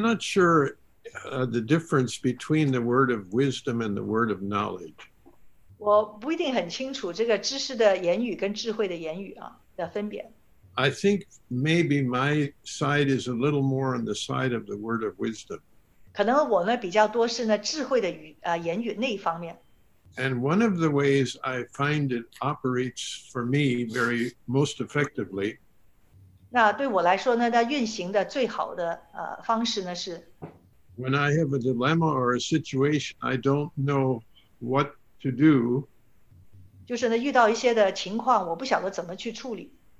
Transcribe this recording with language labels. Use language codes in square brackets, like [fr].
[en] not sure the difference between the word of wisdom and the word of knowledge. [zh] 我不一定很清楚这个知识的言语跟智慧的言语的分别。I [en] think maybe my side is a little more on the side of the word of wisdom. [zh] 可能我呢比较多是呢智慧的言语那一方面。And [en] one of the ways I find it operates for me very most effectively. [zh] 那对我来说呢，它运行的最好的方式呢是。 [en] When I have a dilemma or a situation, I don't know what to do, [zh] 就是呢，遇到一些的情况，我不晓得怎么去处理。